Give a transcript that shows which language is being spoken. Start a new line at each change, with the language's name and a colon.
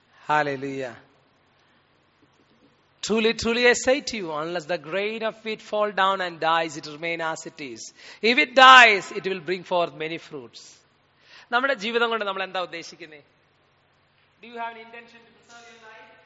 English: Hallelujah. Truly, truly, I say to you, unless the grain of wheat fall down and dies, it remains as it is. If it dies, it will bring forth many fruits.
Malayalam: നമ്മുടെ ജീവിതം കൊണ്ട് നമ്മൾ എന്താ ഉദ്ദേശിക്കുന്നത്?
English: Do you have an intention to preserve your life?